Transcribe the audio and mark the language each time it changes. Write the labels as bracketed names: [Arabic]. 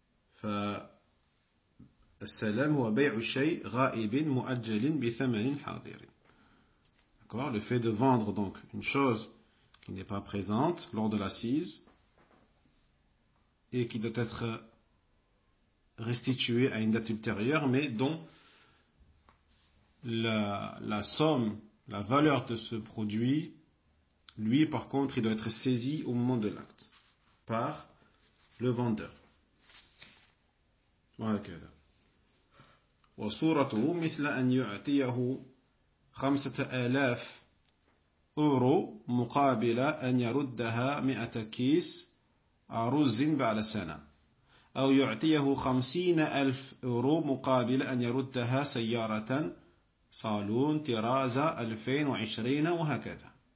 [Arabic] Fa السلام هو بيع الشيء غائب مؤجل بثمن حاضر. [French] D'accord, le fait de vendre donc une chose qui n'est pas présente lors de l'assise et qui doit être restituée à une date ultérieure, mais dont la somme, la valeur de ce produit, lui par contre, il doit être saisi au moment de l'acte par le vendeur. Voilà. Okay. [Arabic] وصورته مثل أن يعطيه 5000 أورو مقابل أن يردها 100 كيس رز على سنة، أو يعطيه 50,000 أورو مقابل أن يردها سيارة صالون طرازة 2020 وهكذا.